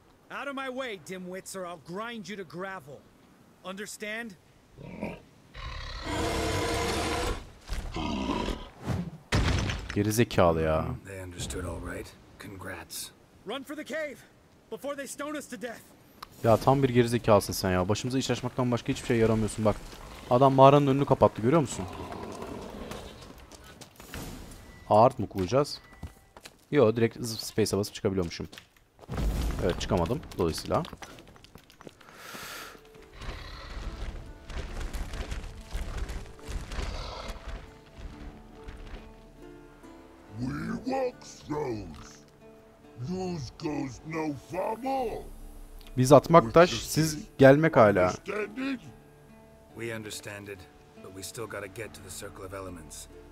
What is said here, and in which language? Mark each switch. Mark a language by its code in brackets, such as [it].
[en] Out of my way, dimwits, or I'll grind you to gravel. Understand? [tr] Gerizekalı ya. [en] They understood all right. Congrats. Run for the cave before they stone us to death. [tr] Ya tam bir gerizekalısın sen ya. Başımıza iş açmaktan başka hiçbir şey yaramıyorsun bak. Adam mağaranın önünü kapattı, görüyor musun? Art mı kullanacağız? Yok, direkt space'e basıp çıkabiliyormuşum. Evet, çıkamadım dolayısıyla. [en] We walk stones. Yours goes no far more. [tr] Biz atmak taş, siz gelmek hala. [en] We understand it, but we still gotta get to the circle of elements.